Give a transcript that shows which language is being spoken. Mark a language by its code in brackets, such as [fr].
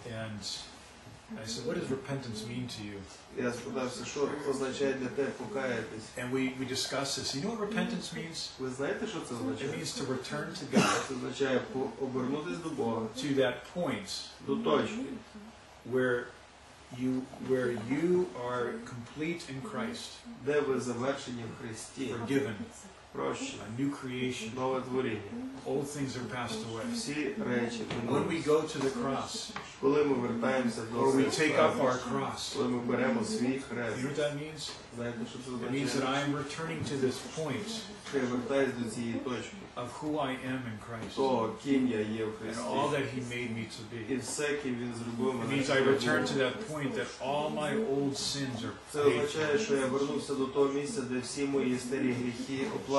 [en] And I said, what does repentance mean to you? [uk] Я спитався, що означає для тебе покаятись? [en] And we discussed this. You know what repentance means? [uk] Ви знаєте, що це означає? [en] It means to return to God. [uk] Це означає обернутися до Бога. [en] To that point. [uk] До точки. [en] Where you are complete in Christ. [uk] Де ви завершені в Христі. [en] Forgiven. [uk] Прощені. [en] A new creation. [uk] Нове творіння. [en] Old things are passed away. [uk] Всі речі. [en] When we go to the cross. [uk] Коли ми вертаємося до Христа. [en] Or we take up our cross. [uk] Коли ми беремо свій хрест. [en] You know what that means? [uk] Знаєте, що це означає? [en] It means that I am returning to this point. [uk] Я вертаюсь до цієї точки. [en] Of who I am in Christ. [uk] То, ким я є в Христі. [en] And all that He made me to be. [uk] І все, ким Він зробив мене. [en] It means I return to that point that all my old sins are paid. [uk] Це означає, що я вернувся до того місця, де всі мої старі гріхи оплачені.